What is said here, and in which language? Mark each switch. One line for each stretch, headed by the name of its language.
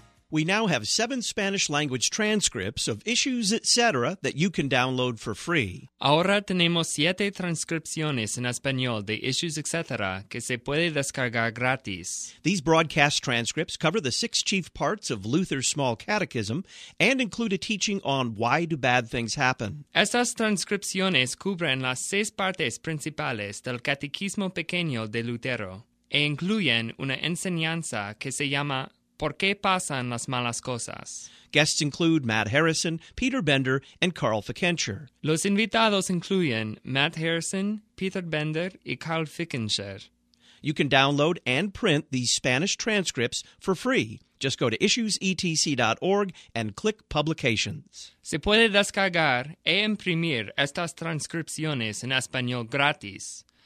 English: We now have 7 Spanish language transcripts of Issues Etc. that you can download for free.
Spanish: Ahora tenemos 7 transcripciones en español de Issues Etc. que se puede descargar gratis.
English: These broadcast transcripts cover the 6 chief parts of Luther's Small Catechism and include a teaching on why do bad things happen.
Spanish: Estas transcripciones cubren las 6 partes principales del Catecismo Pequeño de Lutero e incluyen una enseñanza que se llama ¿Por qué pasan las malas cosas?
English: Guests include Matt Harrison, Peter Bender, and Carl Fickenscher.
Spanish: Los invitados incluyen Matt Harrison, Peter Bender, y Carl Fickenscher.
English: You can download and print these Spanish transcripts for free. Just go to issuesetc.org and click Publications.
Spanish: Se puede descargar e imprimir estas transcripciones en español gratis.